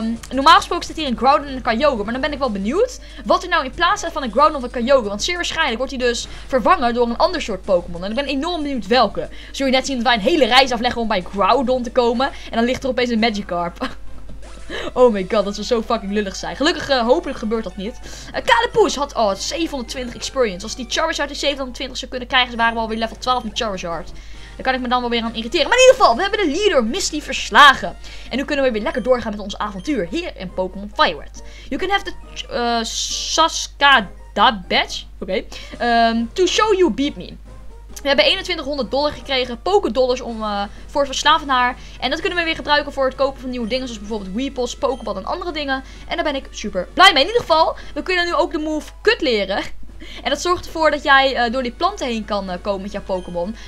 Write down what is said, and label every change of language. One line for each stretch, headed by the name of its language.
Dutch: Normaal gesproken staat hier een Groudon en een Kyogre. Maar dan ben ik wel benieuwd wat er nou in plaats staat van een Groudon of een Kyogre. Want zeer waarschijnlijk wordt hij dus vervangen door een ander soort Pokémon. En ik ben enorm benieuwd welke. Zul je net zien dat wij een hele reis afleggen om bij Groudon te komen. En dan ligt er opeens een Magikarp.
English: Oh my god,
Dutch: dat zou zo fucking lullig zijn. Gelukkig, hopelijk gebeurt dat niet. Kalepoes had 720 experience. Als die Charizard die 720 zou kunnen krijgen, waren we alweer level 12 met Charizard. Daar kan ik me dan wel weer aan irriteren. Maar in ieder geval, we hebben de leader Misty verslagen. En nu kunnen we weer lekker doorgaan met ons avontuur hier in Pokémon Fireworks.
English: You can have the Saskada badge. Oké. To show you beat me.
Dutch: We hebben $2100 gekregen, Pokédollars, om voor het verslaan van haar. En dat kunnen we weer gebruiken voor het kopen van nieuwe dingen, zoals bijvoorbeeld Weepos, Pokéball en andere dingen. En daar ben ik super blij mee. In ieder geval, we kunnen nu ook de move Kut leren. En dat zorgt ervoor dat jij door die planten heen kan komen met jouw Pokémon.